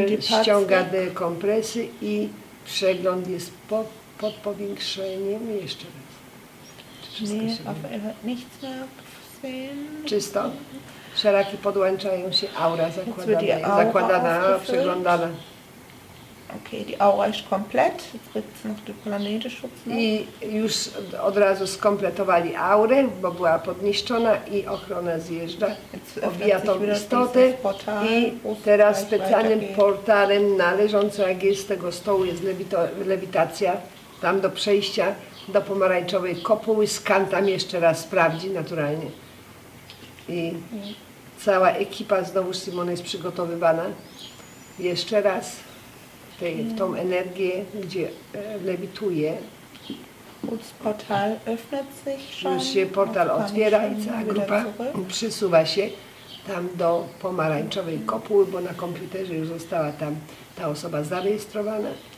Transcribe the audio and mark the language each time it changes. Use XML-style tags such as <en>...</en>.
<pl>Ściąga dekompresy i przegląd jest pod powiększeniem. Jeszcze raz.</pl> <de>Nee, Rafael hat nichts mehr gesehen.</de> <pl>Czysto. Szeraki podłączają się, aura zakładana, przeglądana.</pl> <de>Okay, die Aura ist komplett. Jetzt gibt's noch die Planetenschutz.</de> <pl>I już od razu skompletowali aurę, bo była podniszczona i ochrona zjeżdża. Obija tą istotę i teraz specjalnym portalem należącym do Agilskiego stołu jest lewitacja tam do przejścia do pomarańczowej kopuły. Skan tam jeszcze raz sprawdzi naturalnie. I cała ekipa znowu Simona jest przygotowywana. Jeszcze raz. W tą energię, gdzie lewituje.</pl> <de>Portal öffnet sich schon.</de> <pl>Już się portal otwiera i cała grupa przysuwa się tam do pomarańczowej kopuły, bo na komputerze już została tam ta osoba zarejestrowana.</pl>